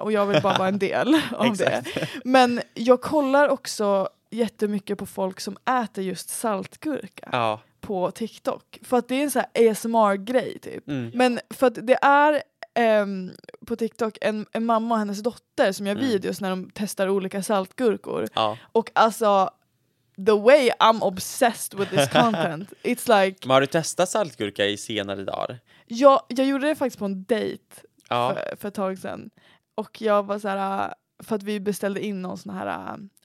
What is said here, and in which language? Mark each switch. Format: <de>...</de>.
<sv>Och jag vill bara vara en del av det. Men jag kollar också jättemycket på folk som äter just saltgurka på TikTok. För att det är en sån här ASMR-grej typ. Mm. Men för att det är på TikTok en mamma och hennes dotter som gör videos när de testar olika saltgurkor. Ja. Och alltså,</sv> <en>the way I'm obsessed with this content. It's like...</en> <sv>Men har du testat saltgurka i senare dagar? Ja, jag gjorde det faktiskt på en dejt för ett tag sedan. Och jag var så här... För att vi beställde in någon sån här...</sv>